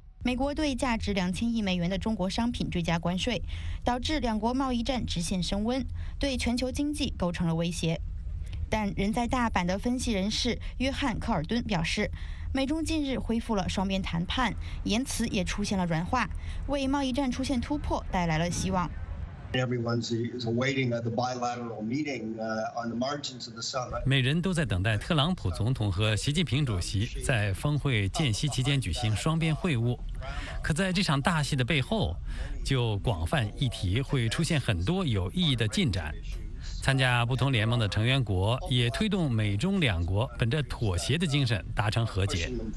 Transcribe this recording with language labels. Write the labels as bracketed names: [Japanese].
[Chinese] 美国对价值2000亿美元的中国商品追加关税，导致两国贸易战直线升温，对全球经济构成了威胁。但人在大阪的分析人士约翰·科尔敦表示，美中近日恢复了双边谈判，言辞也出现了软化，为贸易战出现突破带来了希望。 [English] Everyone's awaiting the bilateral meeting on the margins of the summit. [Chinese] 每人都在等待特朗普总统和习近平主席在峰会间隙期间举行双边会晤。可在这场大戏的背后，就广泛议题会出现很多有意义的进展。参加不同联盟的成员国也推动美中两国本着妥协的精神达成和解。